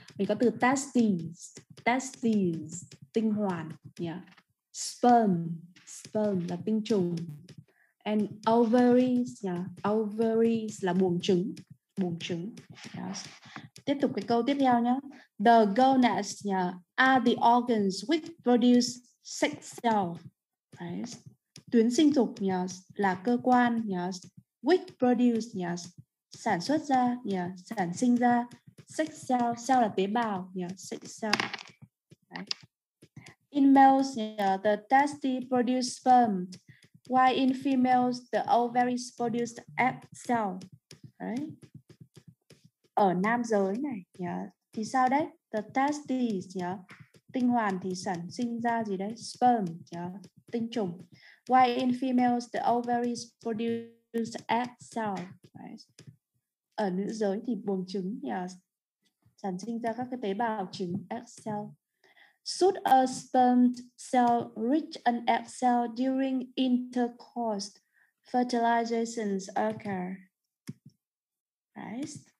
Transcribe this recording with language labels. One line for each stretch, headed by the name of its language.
Vietnamese: Mình có từ testes. Testes, tinh hoàn. Yeah. Sperm, sperm là tinh trùng.
English: And ovaries, yeah,
Vietnamese: ovaries là buồng trứng. Buồng trứng. Yes. Tiếp tục cái câu tiếp theo nhé.
English: The gonads, yeah, are the organs which produce sex cell. Yes.
Vietnamese: Tuyến sinh dục, yes, là cơ quan, yes,
English: which produce,
Vietnamese: yes, sản xuất ra, yes, sản sinh ra sex cell, cell là tế bào, yes, sex cell.
English: Right. In males, yes, the testes produce sperm, while in females, the ovaries produce egg cell. Right.
Vietnamese: Ở nam giới này, yes, thì sao đấy?
English: The testes,
Vietnamese: yes, tinh hoàn thì sản sinh ra gì đấy? Sperm, yes, tinh trùng.
English: Why in females the ovaries produce egg cell? Right.
Vietnamese: Ở nữ giới thì buồng trứng, yes, sản sinh ra các cái tế bào trứng, egg cell.
English: Should a sperm cell reach an egg cell during intercourse, fertilization occur? Right.